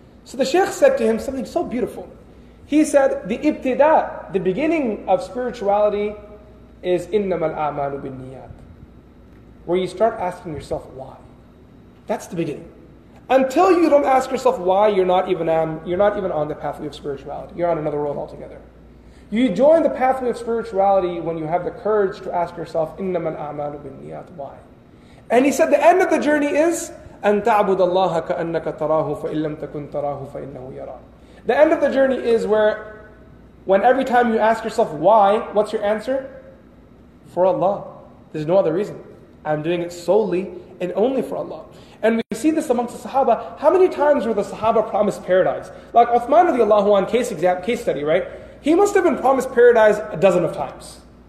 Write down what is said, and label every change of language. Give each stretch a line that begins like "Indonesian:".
English: So the sheikh said to him something so beautiful. He said, the ibtida, the beginning of spirituality, is
Arabic: innama al-a'malu bin-niyat,
English: where you start asking yourself why. That's the beginning. Until you don't ask yourself why, you're not even on the pathway of spirituality. You're on another road altogether. You join the pathway of spirituality when you have the courage to ask yourself,
Arabic: innama al-a'malu bin-niyat,
English: why? And he said, the end of the journey is,
Arabic: أَن تَعْبُدَ اللَّهَ كَأَنَّكَ تَرَاهُ فَإِنْ لَمْ تَكُنْ تَرَاهُ فَإِنَّهُ يَرَى.
English: The end of the journey is where, when every time you ask yourself why, what's your answer? For Allah. There's no other reason. I'm doing it solely and only for Allah. And we see this amongst the Sahaba. How many times were the Sahaba promised paradise? Like Uthman radiallahu anhu, case study, right? He must have been promised paradise a dozen of times.